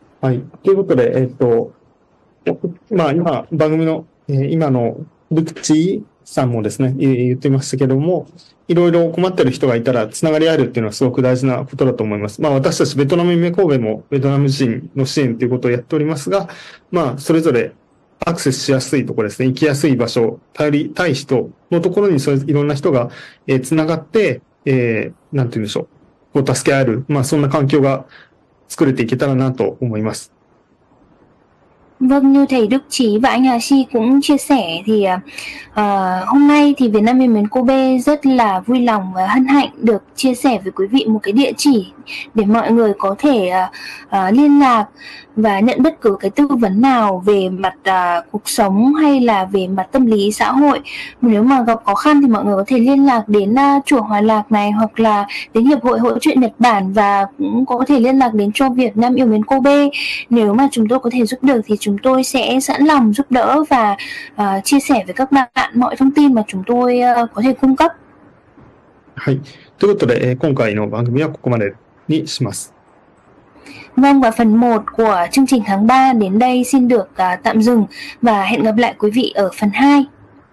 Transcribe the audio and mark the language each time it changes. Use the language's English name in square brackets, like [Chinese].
[Japanese] はい、ということで、まあ、今番組の、今のルクチーさんもですね、言っていましたけども、いろいろ困ってる人がいたら、つながり合えるっていうのはすごく大事なことだと思います。まあ私たちベトナム夢神戸もベトナム人の支援ということをやっておりますが、まあそれぞれアクセスしやすいところですね、行きやすい場所、頼りたい人のところにそれいろんな人が、つながって、なんて言うんでしょう、助け合える、まあそんな環境が作れていけたらなと思います。 [Vietnamese] Vâng, như thầy Đức Trí và anh Hà Si cũng chia sẻ thì hôm nay thì Việt Nam Yêu Mến Kobe rất là vui lòng và hân hạnh được chia sẻ với quý vị một cái địa chỉ để mọi người có thể liên lạc và nhận bất cứ cái tư vấn nào về mặt cuộc sống hay là về mặt tâm lý xã hội. Nếu mà gặp khó khăn thì mọi người có thể liên lạc đến Chùa Hòa Lạc này hoặc là đến Hiệp hội Hỗ trợ Nhật Bản và cũng có thể liên lạc đến cho Việt Nam Yêu Mến Kobe. Nếu mà chúng tôi có thể giúp được thì chúng tôi sẽ sẵn lòng giúp đỡ và chia sẻ với các bạn mọi thông tin mà chúng tôi có thể cung cấp. [Japanese] はい、ということで、今回の番組はここまでにします。 [Vietnamese] Vâng, và phần 1 của chương trình tháng 3 đến đây xin được tạm dừng và hẹn gặp lại quý vị ở phần 2.